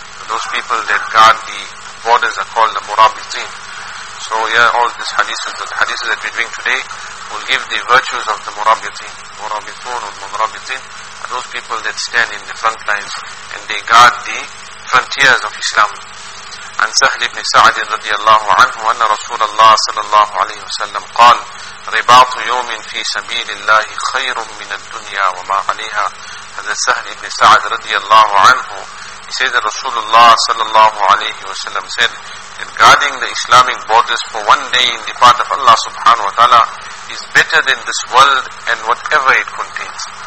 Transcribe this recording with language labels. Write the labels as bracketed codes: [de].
[en] Those people that guard the borders are called the Murabitin. So here all these hadiths, the hadiths that we're doing today, will give the virtues of the Murabitin. Murabitun or Murabitin are those people that stand in the front lines and they guard the frontiers of Islam. [ar] عن سهل بن سعد رضي الله عنه أن رسول الله صلى الله عليه وسلم قال رباط يوم في سبيل الله خير من الدنيا وما عليها. هذا سهل بن سعد رضي الله عنه, [en] he says that Rasulullah [ar] صلى الله عليه وسلم [en] said that guarding the Islamic borders for one day in the path of Allah subhanahu wa ta'ala is better than this world and whatever it contains.